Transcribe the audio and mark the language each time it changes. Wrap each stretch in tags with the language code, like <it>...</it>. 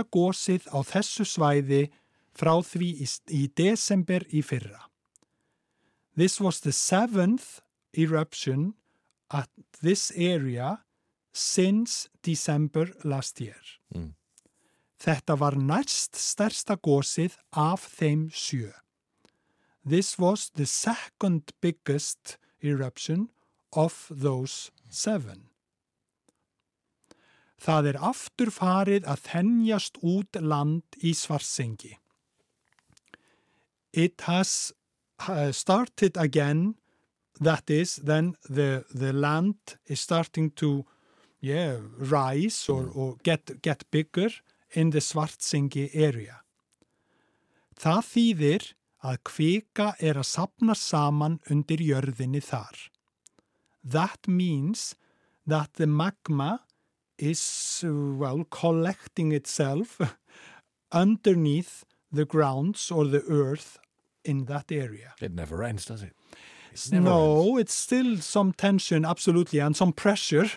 <is>gosið á þessu svæði frá því í desember í fyrra.</is> <en>This was the 7th eruption at this area since December last year.</en> <is>Þetta var næst stærsta gosið af þeim 7.</is> <en>This was the 2nd biggest eruption of those 7.</en> <is>Það aftur farið að þenjast út land í Svartsengi.</is> <en>It has started again that is, then the land is starting to, yeah, rise or get bigger in the Svartsengi area.</en> <is>Það þýðir að kvika að sapna saman undir jörðinni þar.</is> <en>That means that the magma is, well, collecting itself underneath the grounds or the earth in that area. It never ends, does it? No, it's still some tension, absolutely, and some pressure.</en>